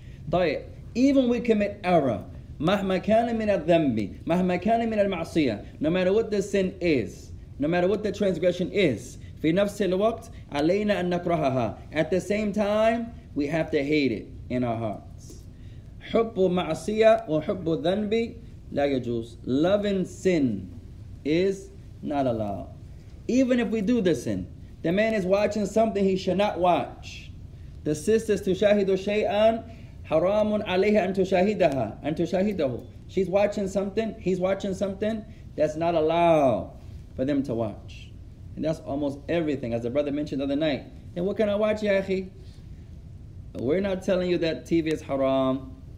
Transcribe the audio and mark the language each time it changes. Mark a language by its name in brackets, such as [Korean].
[English] طيب, even we commit error. [Arabic] مهما كان من الذنب مهما كان من المعصية [English] no matter what the sin is no matter what the transgression is [Arabic] في نفس الوقت علينا أن نكرهها [English] at the same time we have to hate it in our hearts. [Arabic] حب معصية وحب الذنب لا يجوز. [English] Loving sin is not allowed. Even if we do the sin, the man is watching something he should not watch. The sisters [Arabic] تشاهد شيئاً حرام عليها أن تشاهدها أن تشاهده. [English] She's watching something, he's watching something that's not allowed for them to watch. And that's almost everything, as the brother mentioned the other night. And what can I watch, ya akhi? We're not telling you that TV is haram.